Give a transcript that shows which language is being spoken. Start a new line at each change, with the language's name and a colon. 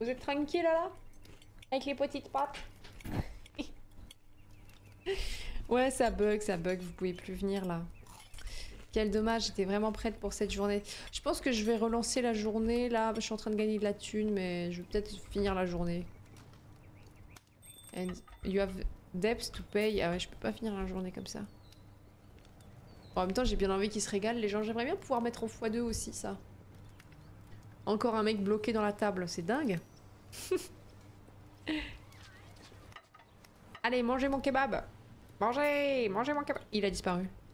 French: Vous êtes tranquille là? Avec les petites pattes? Ouais, ça bug, ça bug. Vous pouvez plus venir là. Quel dommage, j'étais vraiment prête pour cette journée. Je pense que je vais relancer la journée là. Je suis en train de gagner de la thune, mais je vais peut-être finir la journée.
English: And you have debts to pay.
French: Ah ouais, je peux pas finir la journée comme ça. En même temps, j'ai bien envie qu'ils se régalent les gens. J'aimerais bien pouvoir mettre en x2 aussi ça. Encore un mec bloqué dans la table, c'est dingue. Allez, mangez mon kebab. Mangez mon kebab. Il a disparu.